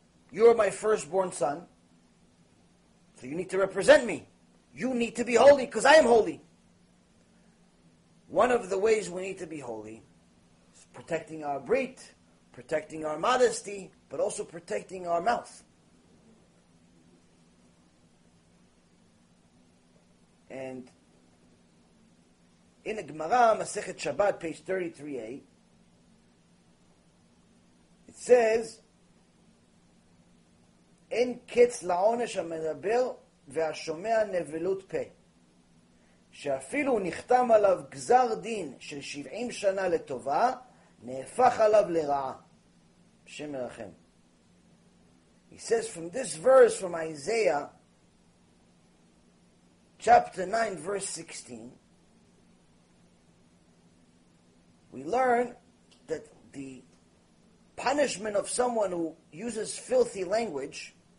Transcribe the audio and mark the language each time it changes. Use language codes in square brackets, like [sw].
[en] You are my firstborn son, so you need to represent me. You need to be holy, because I am holy. One of the ways we need to be holy is protecting our brit, protecting our modesty, but also protecting our mouth. And in the Gemara, Masechet Shabbat, page 33a, it says, אין קץ לעונש המדבר והשומע נבלות פה. [he] שאפילו נחתם עליו גזר דין של 70 שנה לטובה, נהפך עליו לרעה. שם מרחם. [en] He says, from this verse from Isaiah, chapter 9, verse 16, we learn that the punishment of someone who uses filthy language